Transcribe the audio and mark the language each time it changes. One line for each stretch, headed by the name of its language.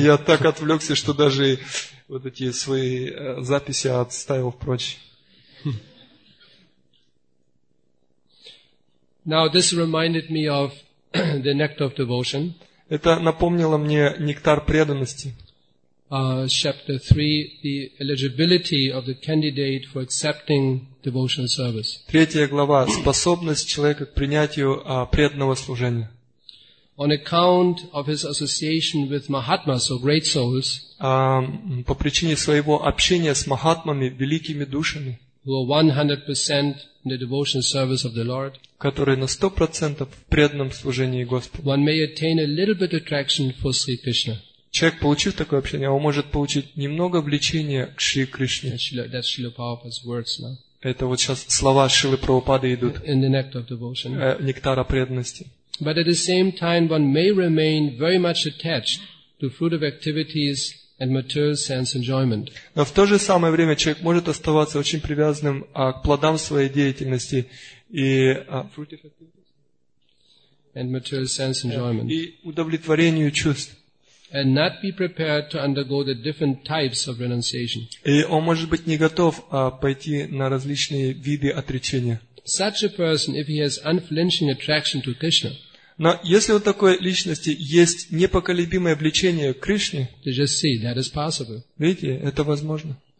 Russian: Я так отвлекся, что даже вот эти свои записи отставил прочь.
English: Now this reminded me of the nectar of devotion.
Russian: Это напомнило мне нектар преданности.
English: Chapter 3, the eligibility of the candidate for accepting devotional service.
Russian: Третья глава, способность человека к принятию преданного служения.
English: On account of his association with mahatmas, or great souls.
Russian: По причине своего общения с махатмами, великими душами.
English: Who are 100% in the devotional service of the Lord.
Russian: Которые на 100% в преданном служении Господу.
English: One may attain a little bit of attraction for Sri Krishna.
Russian: Человек, получив такое общение, он может получить немного влечения к Шри Кришне.
English: That's Srila Prabhupada's words now.
Russian: Это вот сейчас слова Шрилы Прабхупады идут.
English: In the nectar of devotion.
Russian: Нектара преданности.
English: But at the same time, one may remain very much attached to fruitive activities and material sense enjoyment.
Russian: Но в то же самое время человек может оставаться очень привязанным к плодам своей деятельности и
English: fruitive activities and material sense enjoyment.
Russian: И удовлетворению чувств.
English: And not be prepared to undergo the different types of renunciation.
Russian: И он может быть не готов пойти на различные виды отречения.
English: Such a person, if he has unflinching attraction to Krishna.
Russian: Но если у такой личности есть непоколебимое влечение к Кришне,
English: just see, that is possible.
Russian: Видите, это возможно.